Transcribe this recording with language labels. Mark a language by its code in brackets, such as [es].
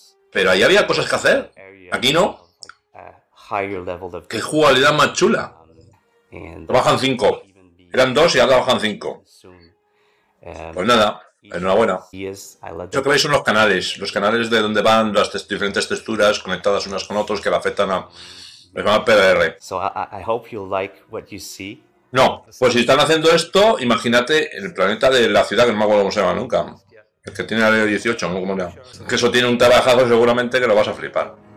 [es] Pero ahí había cosas que hacer. Aquí no. ¡Qué jugabilidad más chula! Bajan 5. Eran 2 y ahora bajan 5. Pues nada. Enhorabuena. Lo que veis son los canales de donde van las diferentes texturas conectadas unas con otras que le afectan a PDR. [en] So I hope you like what you see. [es] No, pues si están haciendo esto, imagínate el planeta de la ciudad, que no me acuerdo cómo se llama nunca, el que tiene el área 18, no, como sea, que eso tiene un trabajazo seguramente que lo vas a flipar.